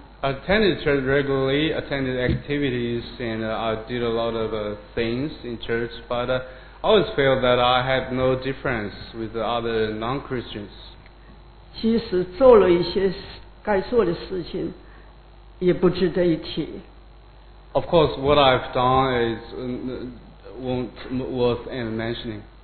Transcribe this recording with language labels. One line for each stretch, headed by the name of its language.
English: Attended church regularly, attended activities, and I did a lot of things in church, but I always felt that I had no difference with the other non-Christians.
Chinese: 即使做了一些该做的事情，也不值得一提。
English: Of course, what I've done is won't worth mentioning.